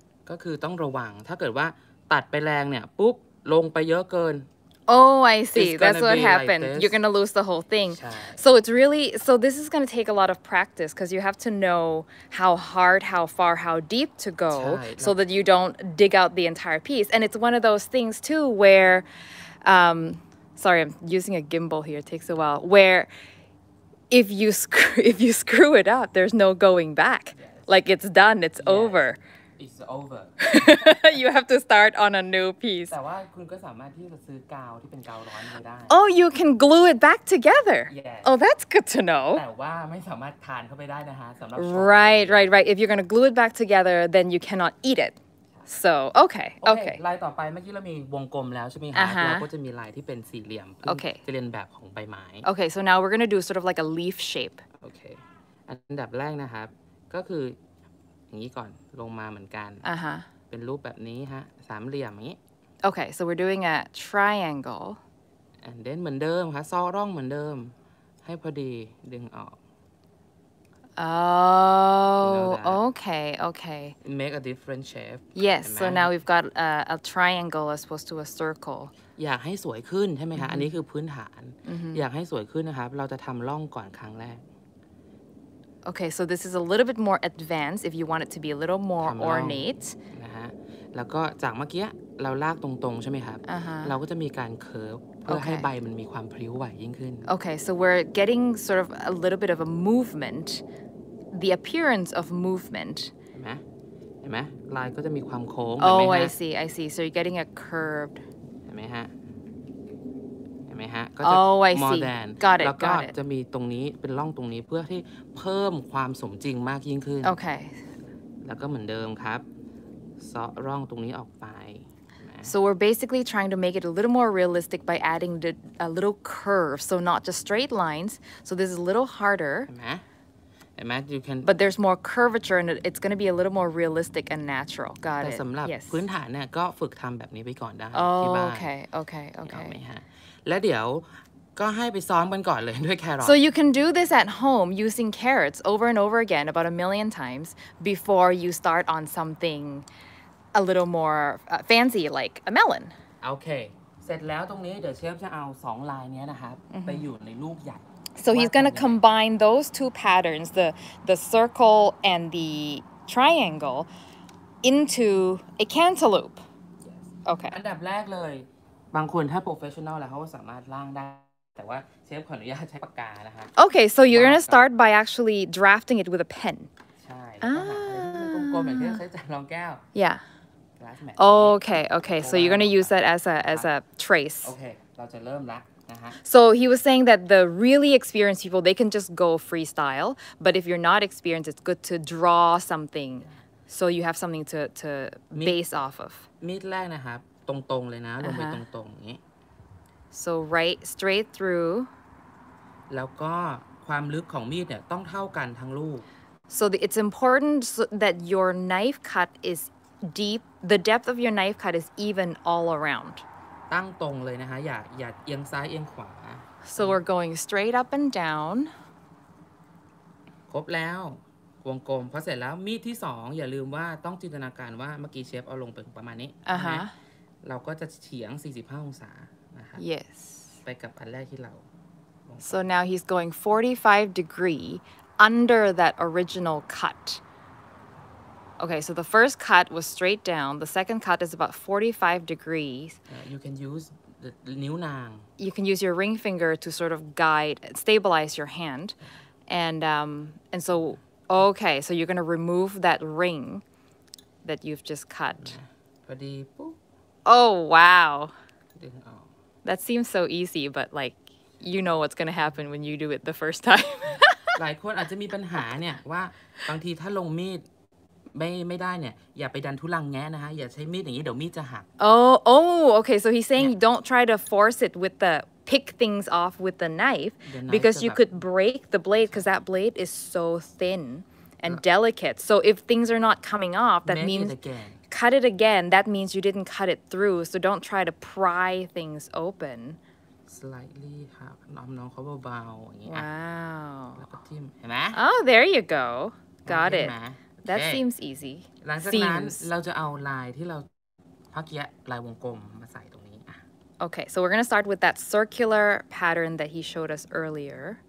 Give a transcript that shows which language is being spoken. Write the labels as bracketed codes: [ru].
[th] ก็คือต้องระวังถ้าเกิดว่าตัดไปแรงเนี่ยปุ๊บลงไปเยอะเกิน [en] Oh, I see. That's what happened. Like you're going to lose the whole thing. Right. So it's really, so this is going to take a lot of practice because you have to know how hard, how far, how deep to go so that you don't dig out the entire piece. And it's one of those things too where, sorry, I'm using a gimbal here. It takes a while. Where if you screw it up, there's no going back. Yes. Like it's done. It's over. It's over. You have to start on a new piece. [th] แต่ว่าคุณก็สามารถที่จะซื้อกาวที่เป็นกาวร้อนมาได้ [en] Oh, you can glue it back together. Yes. Oh, that's good to know. [th] แต่ว่าไม่สามารถทานเข้าไปได้นะคะสำหรับ [en] Right, right, right. If you're going to glue it back together, then you cannot eat it. So, okay, okay. [th] ลายต่อไปเมื่อกี้เรามีวงกลมแล้วใช่ไหมคะ [en] uh-huh. [th] เราก็จะมีลายที่เป็นสี่เหลี่ยม [en] Okay. [th] จะเรียนแบบของใบไม้ [en] Okay, so now we're going to do sort of like a leaf shape. [th] Okay. อันดับแรกนะครับก็คืออย่างนี้ก่อนลงมาเหมือนกันเป็นรูปแบบนี้ฮะสามเหลี่ยมอย่างนี้โอเค [en] so we're doing a triangle and then [th] เหมือนเดิมค่ะซ้อร่องเหมือนเดิมให้พอดีดึงออก [en] okay okay make a different shape yes so now we've got a triangle as opposed to a circle [th] อยากให้สวยขึ้นใช่ไหมคะอันนี้คือพื้นฐานอยากให้สวยขึ้นนะครับเราจะทำร่องก่อนครั้งแรก [en] Okay, so this is a little bit more advanced if you want it to be a little more ornate. [th] นะฮะแล้วก็จากเมื่อกี้เราลากตรงๆใช่ไหมครับ [en] uh-huh. [th] เราก็จะมีการเคิร์ฟเพื่อ [en] okay. [th] ให้ใบมันมีความพลิ้วไหวยิ่งขึ้น [en] Okay, so we're getting sort of a little bit of a movement, the appearance of movement. [th] เห็นไหมลายก็จะมีความโค้ง [en] Oh, I see, I see. So you're getting a curved. [th] เห็นไหมฮะ [en] Oh, I see. Got it. [th] แล้วก็จะมีตรงนี้เป็นร่องตรงนี้เพื่อที่เพิ่มความสมจริงมากยิ่งขึ้น [en] Okay. [th] แล้วก็เหมือนเดิมครับเซาะร่องตรงนี้ออกไป [en] So we're basically trying to make it a little more realistic by adding the a little curve, so not just straight lines. So this is a little harder. [th] เห็นไหม [en] You can. But there's more curvature, and it's going to be a little more realistic and natural. Got it. [th] แต่สำหรับ [en] yes. [th] พื้นฐานเนี่ยก็ฝึกทำแบบนี้ไปก่อนได้ที่บ้ าน [en] Okay. [th] และเดี๋ยวก็ให้ไปซ้อมกันก่อนเลยด้วยแครอท [en] So you can do this at home using carrots over and over again about a million times before you start on something a little more fancy like a melon [th] Okay เสร็จแล้วตรงนี้เดี๋ยวเชฟจะเอา2ลายนี้นะครับ [en] mm-hmm. [th] ไปอยู่ในรูปใหญ่ [en] So he's going to combine those two patterns the circle and the triangle into a cantaloupe yes. Okay [th] อันดับแรกเลยบางคนถ้าโปรเฟสชันนอลแล้วเขาสามารถร่างได้แต่ว่าเชฟขออนุญาตใช้ปากกานะคะ [en] โอเค so you're gonna start by actually drafting it with a pen [th] ใช่กลมๆอย่างที่ใช้จานรองแก้ว [en] yeah okay okay so you're gonna use that as a trace [th] okay เราจะเริ่มละ [en] So he was saying that the really experienced people they can just go freestyle but if you're not experienced it's good to draw something so you have something to base off of [th] มีดแรกนะครับตรงๆเลยนะ uh-huh. ลงไปตรงๆอย่างนี้ [en] so right straight through [th] แล้วก็ความลึกของมีดเนี่ยต้องเท่ากันทั้งลูก [en] so it's important that your knife cut is deep the depth of your knife cut is even all around [th] ตั้งตรงเลยนะคะอย่าเอียงซ้ายเอียงขวา [en] so we're going straight up and down [th] ครบแล้ววงกลมพอเสร็จแล้วมีดที่สองอย่าลืมว่าต้องจินตนาการว่าเมื่อกี้เชฟเอาลงไปประมาณนี้ [en] uh-huh. [th] นะเราก็จะเฉียง45องศานะคะ [en] Yes [th] ไปกับอันแรกที่เรา [en] So now he's going 45 degree under that original cut Okay so the first cut was straight down the second cut is about 45 degrees You can use the นิ้วนาง You can use your ring finger to sort of guide stabilize your hand and so okay so you're going to remove that ring that you've just cut [th] พอดีปุ๊บ [en] Oh wow, that seems so easy, but like you know what's gonna happen when you do it the first time. [th] หลายคนอาจจะมีปัญหาเนี่ยว่าบางทีถ้าลงมีดไม่ได้เนี่ยอย่าไปดันทุลังแงะนะคะอย่าใช้มีดอย่างนี้เดี๋ยวมีดจะหัก [en] Oh okay, so he's saying don't try to force it with the pick things off with the knife because you could break the blade because that blade is so thin and delicate. So if things are not coming off, that means cut it again, that means you didn't cut it through, so don't try to pry things open. [th] slightly ค่ะน้ำน้องเขาเบาๆอย่างงี้ [en] wow. [th] อ่ะแล้วก็จิ้มเห็น [en] ไหม oh there you go got it that seems easy [th] หลังจากนั้นเราจะเอาลายที่เราพักเยอะลายวงกลมมาใส่ตรงนี้อ่ะ [en] okay so we're gonna start with that circular pattern that he showed us earlier